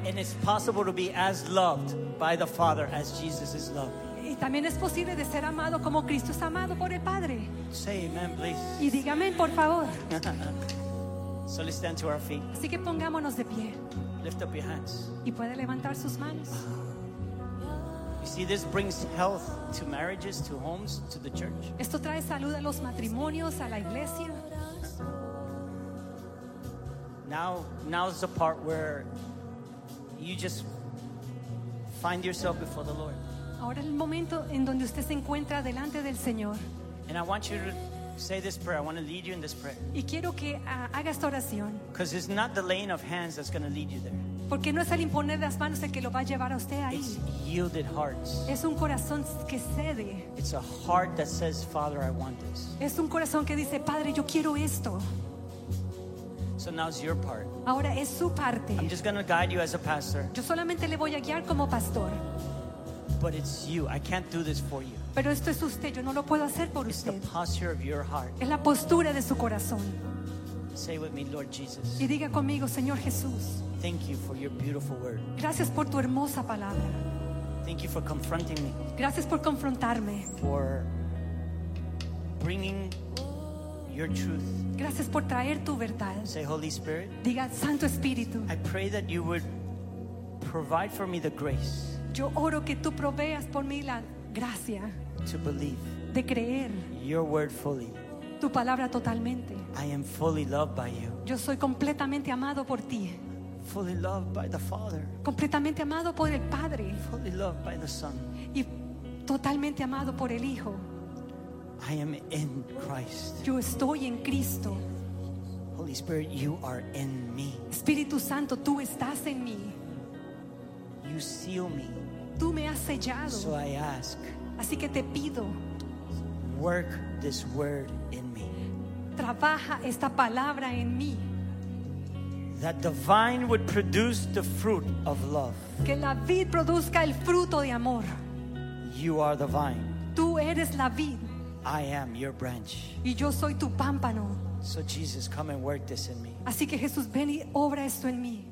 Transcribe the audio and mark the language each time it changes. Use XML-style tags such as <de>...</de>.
<en>And it's possible to be as loved by the Father as Jesus is loved.</en> <es>Y también es posible de ser amado como Cristo es amado por el Padre.</es> <en>Say amen, please.</en> <es>Y dígame, por favor.</es> <en>So let's stand to our feet.</en> <es>Así que pongámonos de pie.</es> <en>Lift up your hands.</en> <es>Y puede levantar sus manos.</es> <en>You see, this brings health to marriages, to homes, to the church.</en> <es>Esto trae salud a los matrimonios, a la iglesia.</es> <en>Now is the part where you just find yourself before the Lord.</en> <es>Ahora es el momento en donde usted se encuentra delante del Señor.</es> <en>And I want you to say this prayer. I want to lead you in this prayer.</en> <es>Y quiero que haga esta oración.</es> <en>Because it's not the laying of hands that's going to lead you there.</en> <es>Porque no es el imponer las manos el que lo va a llevar a usted ahí.</es> <en>It's yielded hearts.</en> <es>Es un corazón que cede.</es> <en>It's a heart that says, Father, I want this.</en> <es>Es un corazón que dice, Padre, yo quiero esto.</es> <en>So now's your part.</en> <es>Ahora es su parte.</es> <en>I'm just going to guide you as a pastor.</en> <es>Yo solamente le voy a guiar como pastor.</es> <en>But it's you. I can't do this for you.</en> <es>Pero esto es usted, yo no lo puedo hacer por</es> <en>it's</en> <es>usted.</es> <en>The posture of your heart.</en> <es>Es la postura de su corazón.</es> <en>Say with me, Lord Jesus.</en> <es>Y diga conmigo, Señor Jesús.</es> <en>Thank you for your beautiful word.</en> <es>Gracias por tu hermosa palabra.</es> <en>Thank you for confronting me.</en> <es>Gracias por confrontarme.</es> <en>For bringing your truth.</en> <es>Gracias por traer tu verdad.</es> <en>Say, Holy Spirit.</en> <es>Diga, Santo Espíritu.</es> <en>I pray that you would provide for me the grace.</en> <es>Yo oro que tú proveas por mí la gracia</es> <en>to believe</en> <es>de creer</es> <en>your word fully.</en> <es>Tu palabra totalmente.</es> <en>I am fully loved by you.</en> <es>Yo soy completamente amado por ti.</es> <en>Fully loved by the Father.</en> <es>Completamente amado por el Padre.</es> <en>Fully loved by the Son.</en> <es>Y totalmente amado por el Hijo.</es> <en>I am in Christ.</en> <es>Yo estoy en Cristo.</es> <en>Holy Spirit, you are in me.</en> <es>Espíritu Santo, tú estás en mí.</es> <en>You seal me.</en> <es>Tú me has sellado.</es> <en>So I ask.</en> <es>Así que te pido.</es> <en>Work this word in me.</en> <es>Trabaja esta palabra en mí.</es> <en>That the vine would produce the fruit of love.</en> <es>Que la vid produzca el fruto de amor.</es> <en>You are the vine.</en> <es>Tú eres la vid.</es> <en>I am your branch.</en> <es>Y yo soy tu pámpano.</es> <en>So Jesus, come and work this in me.</en> <es>Así que Jesús, ven y obra esto en mí.</es>